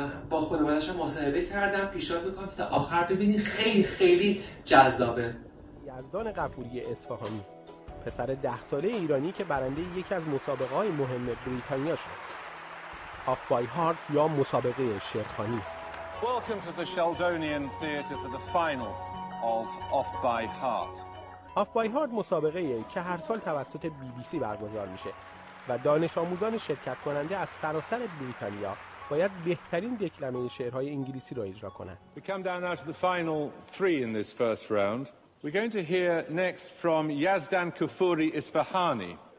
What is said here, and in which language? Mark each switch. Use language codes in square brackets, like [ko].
[fa] با خانوادش هم مصاحبه کردم، پیشنهاد میکنم که تا آخر ببینید، خیلی خیلی جذابه. یزدان غفوری اصفهانی، پسر 10 ساله ایرانی که برنده یکی از مسابقه های مهم بریتانیا شد، آف بای هارت یا مسابقه شیرخانی. [en] Welcome to the Sheldonian Theatre for the final of Off by Heart. [fa] آف بای هارت مسابقه ای که هر سال توسط بی بی سی برگزار میشه و دانش آموزان شرکت کننده از سراسر بریتانیا باید بهترین دکلمه شعرهای انگلیسی را اجرا کنند. [en] We come down now to the final three in this first round. We're going to hear next from Yazdan Kufuri Isfahani.